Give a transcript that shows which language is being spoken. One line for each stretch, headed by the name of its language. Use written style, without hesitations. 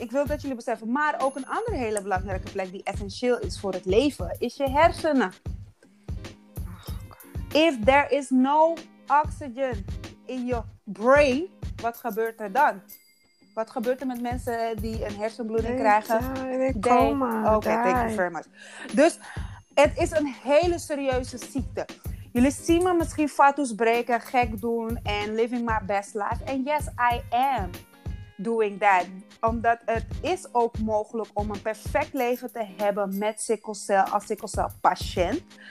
Dutch: Ik wil dat jullie beseffen. Maar ook een andere hele belangrijke plek die essentieel is voor het leven. Is je hersenen.
English: If there is no oxygen in your brain.
Dutch: Wat gebeurt er dan? Wat gebeurt er met mensen die een hersenbloeding krijgen? Oké,
English: thank you very much.
Dutch: Dus het is een hele serieuze ziekte. Jullie zien me misschien fatus breken, gek doen en
English: living my best life. And yes, I am doing that.
Dutch: Omdat het is ook mogelijk om een perfect leven te hebben met sickle cell als sickle cell patiënt.